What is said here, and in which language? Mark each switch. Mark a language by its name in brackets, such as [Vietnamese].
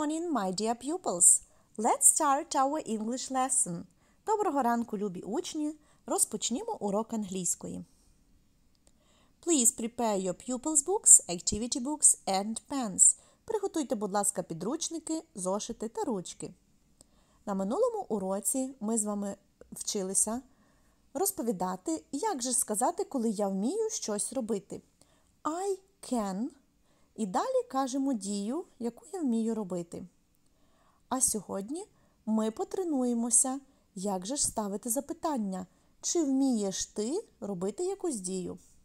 [English] my dear pupils, let's start our English lesson. [Ukrainian] Доброго ранку, любі учні! Розпочнімо урок англійської. [English] Please prepare your pupils books, activity books and pens. [Ukrainian] Приготуйте, будь ласка, підручники, зошити та ручки. На минулому уроці ми з вами вчилися розповідати, як же сказати, коли я вмію щось робити. [English] I can. [Ukrainian] І далі кажемо дію, яку я вмію робити. А сьогодні ми потренуємося, як же ж ставити запитання, чи вмієш ти робити якусь дію.